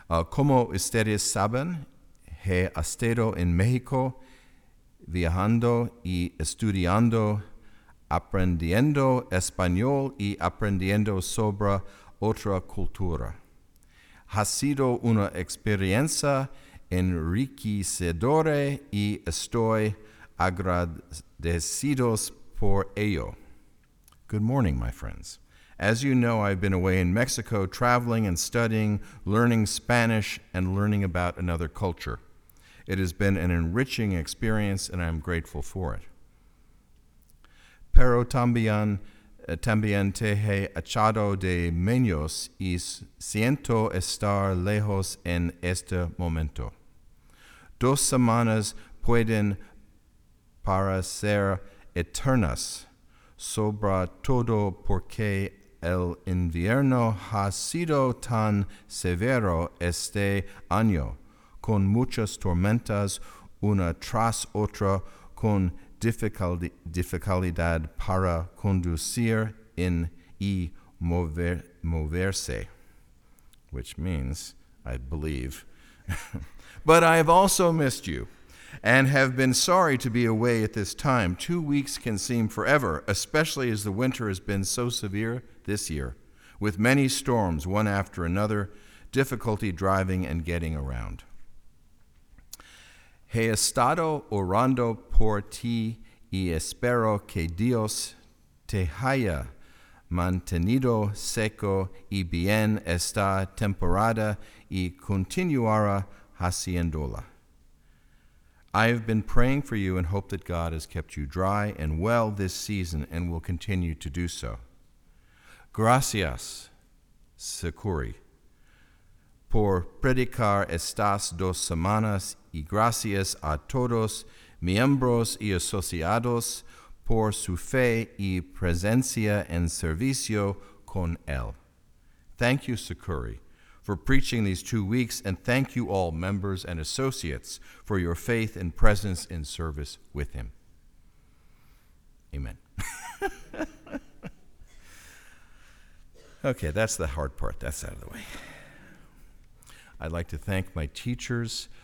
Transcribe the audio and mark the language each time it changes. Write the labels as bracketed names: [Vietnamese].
[Spanish] Como ustedes saben, he estado en México viajando y estudiando, aprendiendo español y aprendiendo sobre otra cultura. Ha sido una experiencia enriquecedora y estoy agradecidos por ello. [English] Good morning, my friends. As you know, I've been away in Mexico traveling and studying, learning Spanish, and learning about another culture. It has been an enriching experience, and I'm grateful for it. [Spanish] Pero también te he echado de menos y siento estar lejos en este momento. 2 semanas pueden parecer eternas, sobre todo porque el invierno ha sido tan severo este año, con muchas tormentas, una tras otra, con dificultad para conducir y moverse, [English] which means, I believe. But I have also missed you, and have been sorry to be away at this time. 2 weeks can seem forever, especially as the winter has been so severe this year, with many storms, one after another, difficulty driving and getting around. [Spanish] He estado orando por ti y espero que Dios te haya mantenido seco y bien esta temporada y continuará haciéndola. [English] I have been praying for you and hope that God has kept you dry and well this season and will continue to do so. [Spanish] Gracias, Sikuri, por predicar estas 2 semanas y gracias a todos miembros y asociados por su fe y presencia en servicio con él. [English] Thank you, Sikuri, for preaching these 2 weeks, and thank you all, members and associates, for your faith and presence in service with him. Amen. Okay, that's the hard part. That's out of the way. I'd like to thank my teachers.